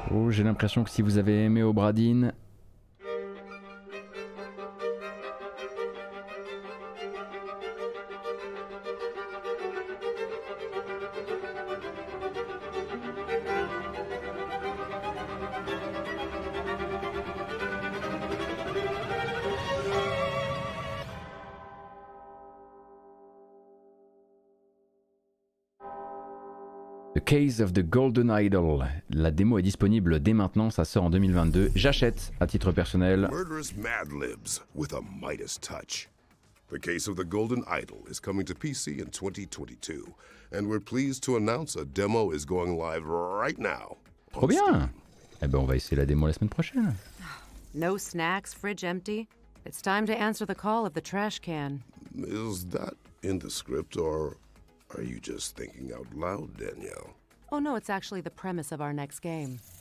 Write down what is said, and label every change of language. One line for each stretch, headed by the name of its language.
French: J'ai l'impression que si vous avez aimé Obradine, Case of the Golden Idol. La démo est disponible dès maintenant, ça sort en 2022. J'achète à titre personnel.
English: Murderous Mad Libs with a Midas touch. The Case of the Golden Idol is coming to PC in 2022 and we're pleased to announce a demo is going live right now.
French: Trop bien. Eh ben on va essayer la démo la semaine prochaine.
English: No snacks, fridge empty. It's time to answer the call of the trash can. Is that in the script or are you just thinking out loud, Danielle? Oh no, it's actually the premise of our next game.